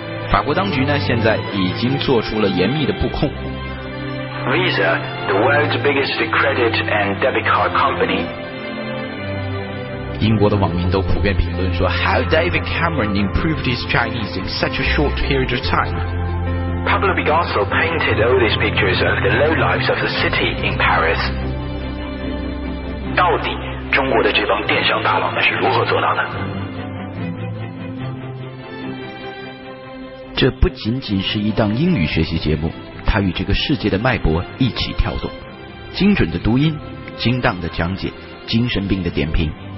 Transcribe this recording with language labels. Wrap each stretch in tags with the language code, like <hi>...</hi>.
<zh>法国当局呢，现在已经做出了严密的布控。</zh> <en>Visa, the world's biggest credit and debit card company.</en> <zh>英国的网民都普遍评论说</zh> <en>，How David Cameron improved his Chinese in such a short period of time? Pablo Picasso painted all these pictures of the lowlifes of the city in Paris.</en> <zh>到底中国的这帮电商大佬们是如何做到的？这不仅仅是一档英语学习节目。他与这个世界的脉搏一起跳动，精准的读音，精当的讲解，精神病的点评。</zh>